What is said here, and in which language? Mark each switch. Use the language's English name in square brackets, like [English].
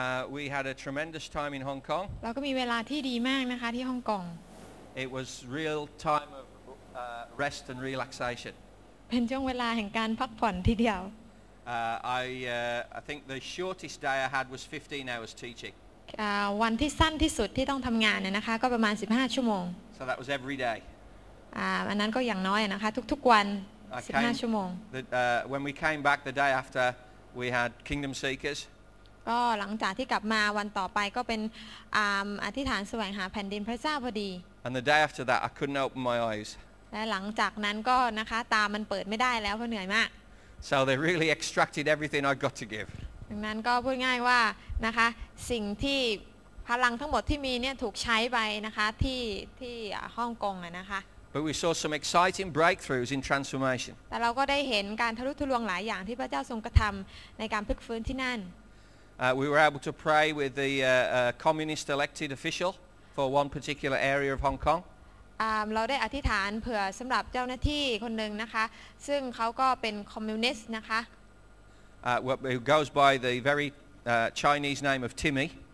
[English] We had a tremendous time in Hong Kong. [Thai] เราก็มีเวลาที่ดีมากนะคะที่ฮ่องกง [English] It was real time of rest and relaxation. [Thai] เป็นช่วงเวลาแห่งการพักผ่อนทีเดียว [English] I think the shortest day I had was 15 hours teaching. [Thai] วันที่สั้นที่สุดที่ต้องทำงานเนี่ยนะคะก็ประมาณ15ชั่วโมง [English] So that was every day. [Thai] อันนั้นก็อย่างน้อยนะคะทุกๆวัน15ชั่วโมง [English] When we came back the day after we had Kingdom Seekers. [Thai] ก็หลังจากที่กลับมาวันต่อไปก็เป็นอธิษฐานแสวงหาแผ่นดินพระเจ้าพอดี [English] And the day after that I couldn't open my eyes [Thai] และหลังจากนั้นก็นะคะตามันเปิดไม่ได้แล้วเพราะเหนื่อยมาก [English] So they really extracted everything I got to give [Thai] ดังนั้นก็พูดง่ายว่านะคะสิ่งที่พลังทั้งหมดที่มีเนี่ยถูกใช้ไปนะคะที่ฮ่องกงอ่ะนะคะ [English] But we saw some exciting breakthroughs in transformation [Thai] แต่เราก็ได้เห็นการทะลุทะลวงหลายอย่างที่พระเจ้าทรงกระทําในการพลิกฟื้นที่นั่น [English] We were able to pray with the communist elected official for one particular area of Hong Kong. [Thai] เราได้อธิษฐานเผื่อสำหรับเจ้าหน้าที่คนหนึ่งนะคะซึ่งเขาก็เป็นคอมมิวนิสต์นะคะ [English] Who goes by the very Chinese name of Timmy.